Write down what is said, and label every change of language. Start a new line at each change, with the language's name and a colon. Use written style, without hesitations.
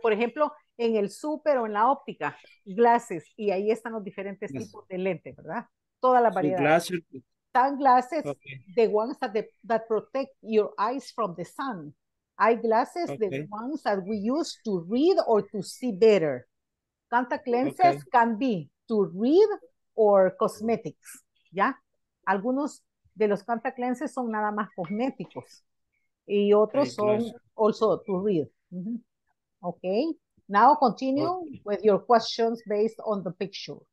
Spanish: Por ejemplo, en el súper o en la óptica, glasses. Y ahí están los diferentes tipos de lentes, ¿verdad? Toda la variedad.
English: Sunglasses, the ones that protect your eyes from the sun. Eyeglasses, the ones that we use to read or to see better. Contact lenses can be to read or cosmetics. ¿Ya?
Spanish: Algunos de los contact lenses son nada más cosméticos. Y otros son
English: also to read.
Spanish: Mm-hmm. Okay.
English: Now continue with your questions based on the picture.